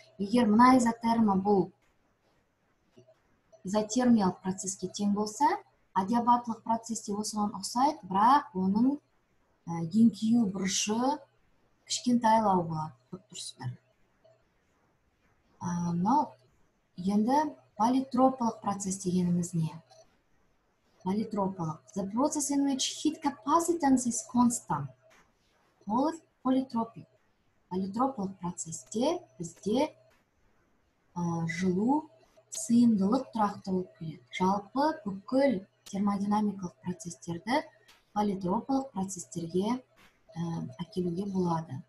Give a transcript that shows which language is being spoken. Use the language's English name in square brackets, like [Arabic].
[Kazakh] Егер мына изотерма бұл изотермиялық процеске тең болса, адиабатлық процесте осыған ұқсайды, бірақ оның еңкею бұрышы кішкентайлау болады, көріп тұрсыздар. Енді политропалық процес дегеніміз не? Политропалық. [English] The process in which heat capacitance is constant. [Kazakh] Олыс политропик. Политропалық процесте бізде жылу сыйымдылық тұрақты болып келеді. Жалпы бүкіл термодинамикалық процестерді политропалық процестерге әкелуге болады.